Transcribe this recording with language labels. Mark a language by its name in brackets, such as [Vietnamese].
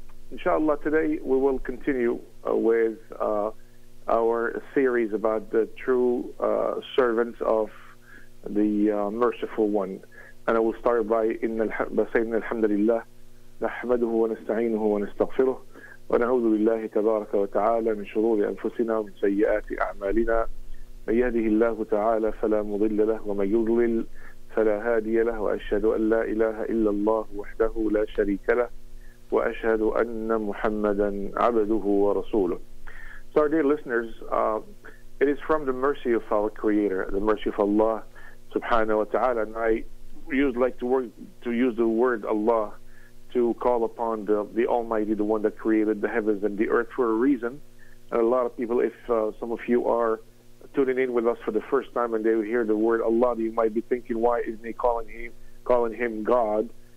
[English] Inshallah, today we will continue with our series about the true servant of the merciful one. And I will start by saying alhamdulillah, [Arabic] نحمده ونستعينه ونستغفره ونعوذ بالله تبارك وتعالى من شرور أنفسنا ومن سيئات أعمالنا من يهده الله تعالى فلا مضل له ومن يضلل فلا هادي له وأشهد أن لا إله إلا الله وحده لا شريك له وأشهد أن محمدا عبده ورسوله. [English] So our dear listeners, it is from the mercy of our Creator, the mercy of Allah subhanahu wa ta'ala, and I used like to work to use the word Allah to call upon the Almighty, the one that created the heavens and the earth for a reason. And a lot of people, if some of you are tuning in with us for the first time and they hear the word Allah, you might be thinking, why isn't he calling him God?